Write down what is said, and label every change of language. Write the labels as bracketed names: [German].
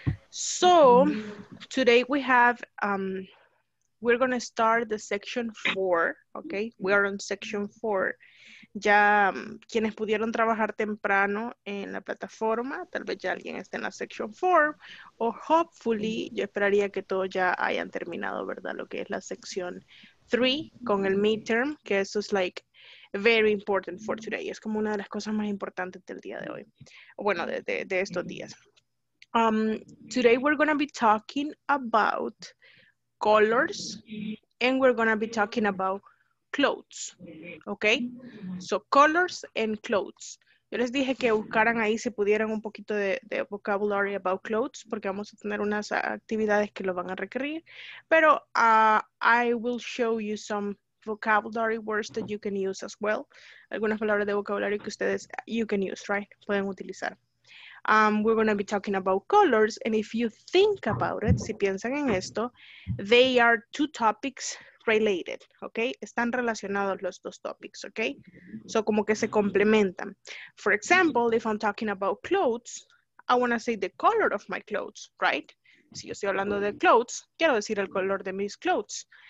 [English] So, today we have, we're going to start the section 4, okay? We are on section 4. [Spanish] Ya, quienes pudieron trabajar temprano en la plataforma, tal vez ya alguien esté en la section 4, o [English] hopefully, [Spanish] yo esperaría que todos ya hayan terminado, ¿verdad? Lo que es la section 3 con el midterm, que eso es [English] like very important for today. [Spanish] Es como una de las cosas más importantes del día de hoy. Bueno, de estos días. [English] Today we're going to be talking about colors and we're going to be talking about clothes, okay? So colors and clothes. [Spanish] Yo les dije que buscaran ahí si pudieran un poquito de [English] vocabulary about clothes [Spanish] porque vamos a tener unas actividades que lo van a requerir. Pero [English] I will show you some vocabulary words that you can use as well. [Spanish] Algunas palabras de vocabulario que ustedes, [English] you can use, right? [Spanish] Pueden utilizar. [English] We're going to be talking about colors, and if you think about it, [Spanish] si piensan en esto, [English] they are two topics related, okay? [Spanish] Están relacionados los dos topics, okay? So, como que se complementan. [English] For example, if I'm talking about clothes, I want to say the color of my clothes, right? [Spanish] Si yo estoy hablando de clothes, quiero decir el color de mis clothes.